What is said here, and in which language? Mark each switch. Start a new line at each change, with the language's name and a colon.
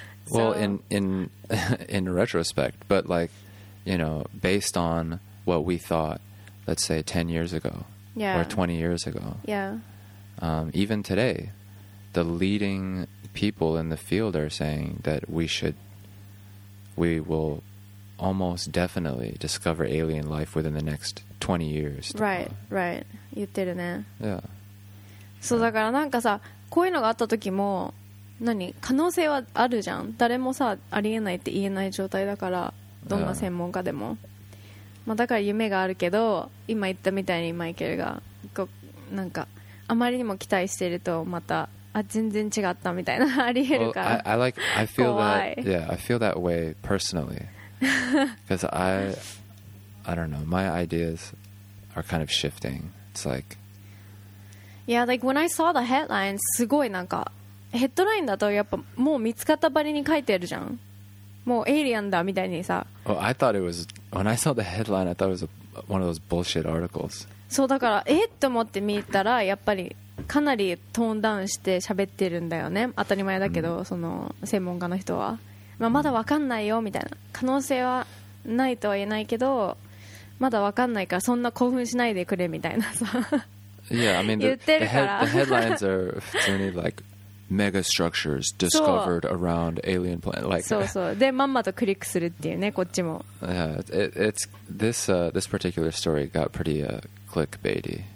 English: Well, in retrospect, but like, you know, based on what we thought,let's say 10 years ago or 20 years ago. Yeah. Even today, the leading people in the field are saying that we will almost definitely discover alien life within the next 20 years. Right, right.
Japanese: 言ってるね。
English: Yeah.
Japanese: そうだからなんかさ、こういうのがあった時も、何、可能性はあるじゃん。誰もさ、ありえないって言えない状態だから、どんな専門家でも。
English: Yeah.
Japanese: まあ、だから夢があるけど今言ったみたいにマイケルがこうなんかあまりにも期待してるとまたあ全然違ったみたいなありえるから、
English: well, I feel
Japanese: 怖い
English: that, yeah, I feel that way personally because I don't know, my ideas are kind of shifting. It's like yeah, like when I saw the headline,
Japanese: すごいなんかヘッドラインだとやっぱもう見つかったばりに書いてるじゃん。もうエイリアンだみたいにさ。
English: Well, I thought it was, when I saw the headline, I thought it was one of those bullshit articles.
Japanese: そうだから、と思って見たら、やっぱりかなりトーンダウンして喋ってるんだよね。当たり前だけど、その専門家の人は。まあ、まだわかんないよみたいな。可能性はないとは言えないけど、まだわかんないからそんな興奮しないでくれみたいなさ。
English: Yeah, I mean,
Japanese: 言ってるから。
English: The headlines are
Japanese: 普通に
English: like,mega structures discovered around alien planet. Like,
Japanese: そうそう。で、まんまとクリックするっていうね、こっちも。
English: Yeah, it's this particular story got pretty clickbaity.